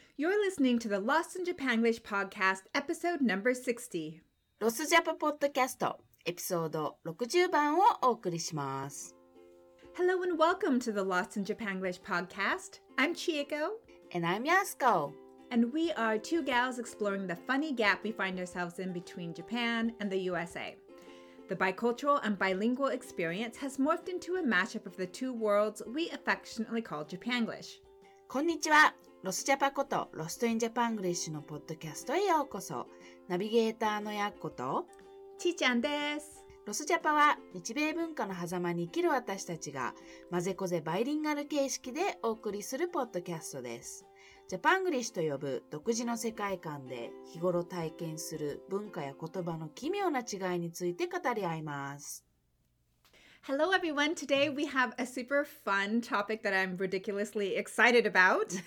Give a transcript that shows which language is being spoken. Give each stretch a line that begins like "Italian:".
English: You're listening to the Lost in Japanglish podcast, episode number 60.
Japanese: ロスジャパポッドキャスト、エピソード60番をお送りします。
English: Hello and welcome to the Lost in Japanglish podcast. I'm Chieko. And I'm Yasuko. And we are two gals exploring the funny gap we find ourselves in between Japan and the USA. The bicultural and bilingual experience has morphed into a mashup of the two worlds we affectionately call Japanglish.
Japanese: こんにちは。ロスジャパこと、ロストインジャパングリッシュのポッドキャストへようこそ。ナビゲーターのやっこと、ちーちゃんです。ロスジャパは、日米文化の狭間に生きる私たちが、まぜこぜバイリンガル形式でお送りするポッドキャストです。ジャパングリッシュと呼ぶ独自の世界観で、日頃体験する文化や言葉の奇妙な違いについて語り合います。
English: Hello everyone, today we have a super fun topic that I'm ridiculously excited about.